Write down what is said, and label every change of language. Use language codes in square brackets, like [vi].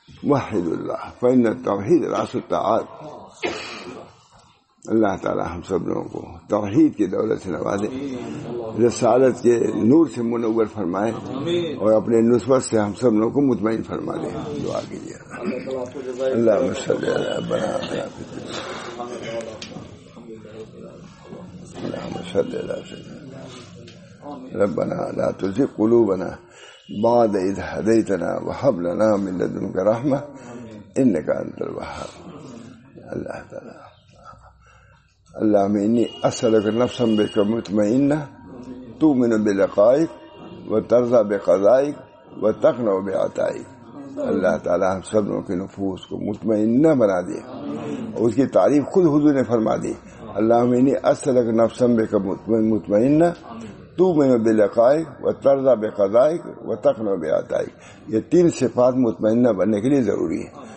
[ar] واحد اللہ فإن التوحید رأس الطاعات [ur] اللہ تعالی ہم سب لوگوں کو توحید کی دولت سے نوازے رسالت کے نور سے منور فرمائے اور اپنے نسبت سے ہم سب لوگوں کو مطمئن فرما دے دعا کیجیے. [ar] اللہ صلی اللہ علیہ وسلم ربنا لا تزغ قلوبنا بعد إذ هديتنا وهب لنا من لدنك رحمة إنك أنت الوهاب. الله تعالى اللهم إني أسألك نفسا بك مطمئنة تؤمن بلقائك وترضى بقضائك وتقنع بعطائك. [ur] اللہ تعالیٰ ہم سب لوگوں کی نفوس کو مطمئنہ بنا دے اور اس کی تعریف خود حضور نے فرما دی. [ar] اللہ اسلک نفسم بے کا مطمئنہ تؤمن بلقائک و ترضا بقضائک و تقنع بعطائک، [ur] یہ تین صفات مطمئنہ بننے کے لیے ضروری ہیں.